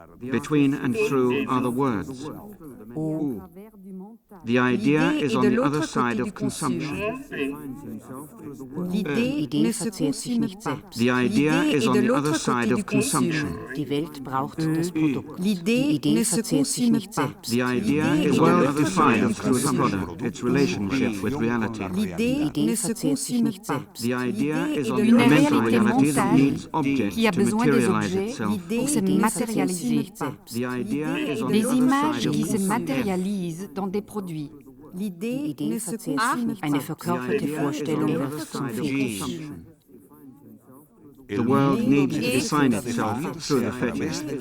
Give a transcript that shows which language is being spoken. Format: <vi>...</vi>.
<en>Between and through are the words. O. The idea is on the other side of consumption.</en> <fr>L'idée ne se consomme pas.</fr> <en>The idea is on the other side of consumption.</en> <de>Die Welt braucht das Produkt.</de> <fr>L'idée ne se consomme pas.</fr> <en>The idea is on the other side of consumption. Its relationship with reality.</en> <fr>L'idée ne se consomme pas.</fr> <en>The idea is on the mental reality that needs objects to materialize itself.</en> <fr>Les images qui se matérialisent dans des produits. L'idée ne se consomme pas.</fr> <en>The world needs to define itself through the fetish.</en>